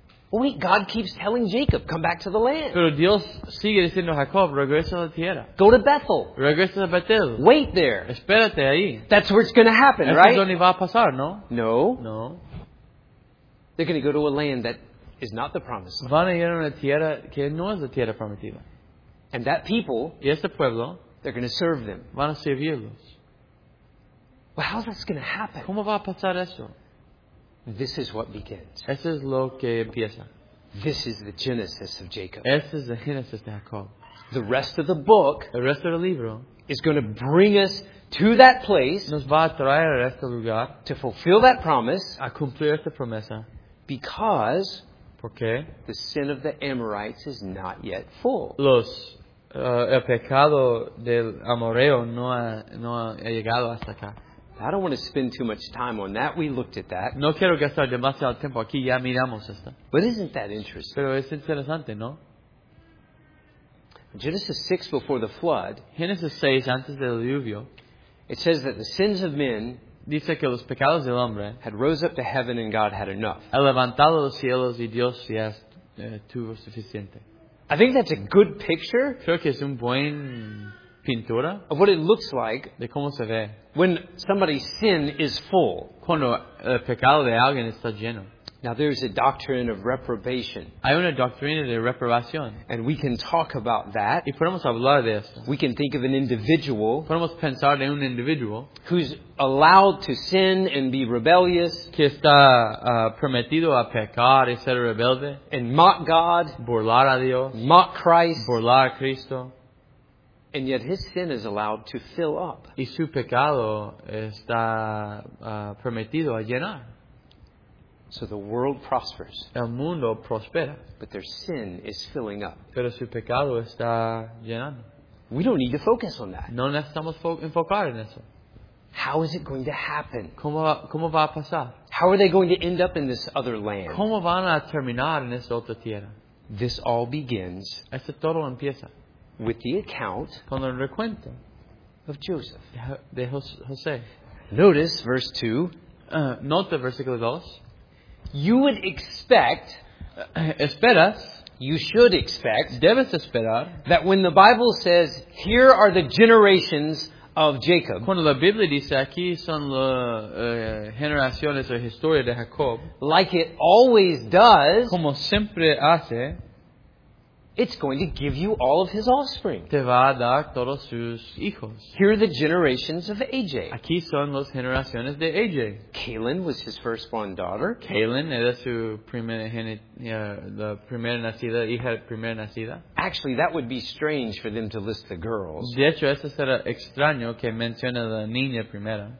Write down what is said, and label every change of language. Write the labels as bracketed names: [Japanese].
[English] But wait, God keeps telling Jacob, come back to the land. [Spanish] Pero Dios sigue diciendo a Jacob, regresa a la tierra. [English] Go to Bethel. [Spanish] Regresa a Bethel. [English] Wait there. [Spanish] Espérate ahí. [English] That's where it's going to happen, [Spanish] eso [English] right? [Spanish] Es donde va a pasar, ¿no? [English] No. [Spanish] No. [English] They're going to go to a land that is not the promised land. [Spanish] Van a ir a una tierra que no es la tierra prometida. [English] And that people, [Spanish] y este pueblo, [English] they're going to serve them. [Spanish] Van a servirlos. [English] Well, how's this going to happen? [Spanish] ¿Cómo va a pasar eso? [English] This is what begins. [Spanish] Eso es lo que empieza. [English] This is the Genesis of Jacob. [Spanish] Este es el Génesis de Jacob. [English] The rest of the book, [Spanish] el resto del libro, [English] is going to bring us to that place, [Spanish] nos va a traer a este lugar, [English] to fulfill that promise, [Spanish] a cumplir esta promesa, [English] because, [Spanish] porque, [English] the sin of the Amorites is not yet full. [Spanish] El pecado del Amoreo no ha llegado hasta acá. [English] I don't want to spend too much time on that. We looked at that. [Spanish] No quiero gastar demasiado tiempo aquí. Ya miramos esto. [English] But isn't that interesting? [Spanish] Pero es interesante, ¿no? [English] Genesis 6 before the flood. [Spanish] Génesis 6 antes del diluvio. [English] It says that the sins of men, [Spanish] dice que los pecados del hombre, [English] had rose up to heaven and God had enough. [Spanish] Ha levantado los cielos y Dios ya tuvo suficiente. [English] I think that's a good picture. [Spanish] Creo que es un buen pintura [English] of what it looks like, [Spanish] de cómo se ve, [English] when somebody's sin is full. [Spanish] Cuando el pecado de alguien está lleno. [English] Now there's a doctrine of reprobation. [Spanish] Hay una doctrina de reprobación. [English] And we can talk about that. [Spanish] Y podemos hablar de esto. [English] We can think of an individual. [Spanish] Podemos pensar de un individual. [English] Who's allowed to sin and be rebellious. [Spanish] Que está permitido a pecar y ser rebelde. [English] And mock God. [Spanish] Burlar a Dios. [English] Mock Christ. [Spanish] Burlar a Cristo. [English] And yet his sin is allowed to fill up. [Spanish] Y su pecado está permitido a llenar. [English] So the world prospers. [Spanish] El mundo prospera. [English] But their sin is filling up. [Spanish] Pero su pecado está llenando. [English] We don't need to focus on that. [Spanish] No necesitamos enfocar en eso. [English] How is it going to happen? [Spanish] ¿Cómo va a pasar? [English] How are they going to end up in this other land? [Spanish] ¿Cómo van a terminar en esta otra tierra? [English] This all begins. [Spanish] Esto todo empieza. [English] With the account. [Spanish] Con el recuento. [English] Of Joseph. [Spanish] De José. [English] Notice verse 2. [Spanish] Nota versículo 2. [English] You would expect, [Spanish] esperas, [English] you should expect, [Spanish] debes esperar, [English] that when the Bible says, here are the generations of Jacob, [Spanish] cuando la Biblia dice, aquí son las generaciones o historia de Jacob, [English] like it always does, [Spanish] como siempre hace, [English] it's going to give you all of his offspring. [Spanish] Te va a dar todos sus hijos. [English] Here are the generations of AJ. [Spanish] Aquí son las generaciones de AJ. [English] Kaylin was his firstborn daughter. [Spanish] Kaylin era su primera nacida. [English] Actually, that would be strange for them to list the girls. [Spanish] De hecho, eso será extraño que mencione la niña primera.